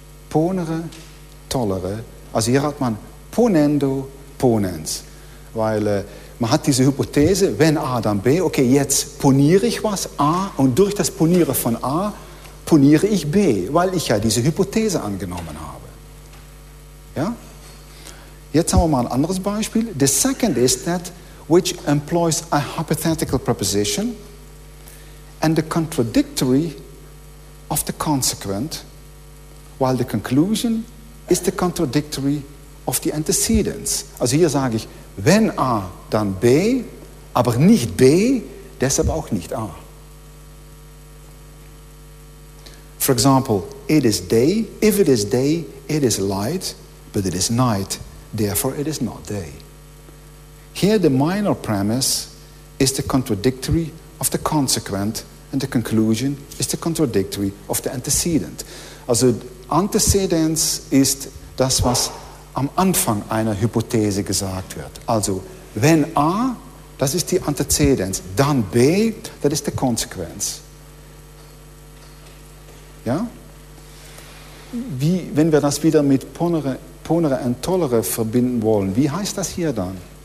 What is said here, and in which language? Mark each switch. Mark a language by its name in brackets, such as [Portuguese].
[German] Ponere, tollere. Also hier hat man ponendo, ponens. Weil man hat diese Hypothese, wenn A, dann B. Okay, jetzt poniere ich was, A, und durch das Ponieren von A poniere ich B, weil ich ja diese Hypothese angenommen habe. Ja? Jetzt haben wir mal ein anderes Beispiel. [English] The second is that which employs a hypothetical preposition and the contradictory of the consequent, while the conclusion is the contradictory of the antecedents. [German] Also hier sage ich, wenn A, dann B, aber nicht B, deshalb auch nicht A. [English] For example, it is day, if it is day, it is light, but it is night, therefore it is not day. Here the minor premise is the contradictory of the consequent, and the conclusion is the contradictory of the antecedent. [German] Also antecedents ist das, was am Anfang einer Hypothese gesagt wird. Also wenn A, das ist die antecedents, dann B, das ist die Konsequenz. Ja? Wie, wenn wir das wieder mit ponere und tollere verbinden wollen, wie heißt das hier dann?